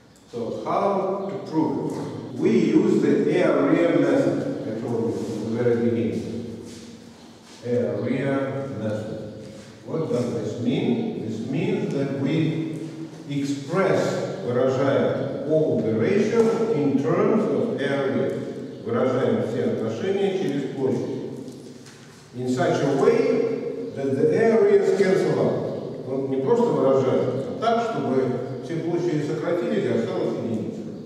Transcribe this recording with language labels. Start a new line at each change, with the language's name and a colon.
English: So how to prove it? We use the area method, I told you from the very beginning. Area method. What does this mean? This means that we express,
Russian: выражаем
English: all the ratios in terms of area.
Russian: Выражаем все отношения через площадь. In such a way that the areas cancel out. Вот не просто выражаем, а так, чтобы все площади сократились и осталось единица.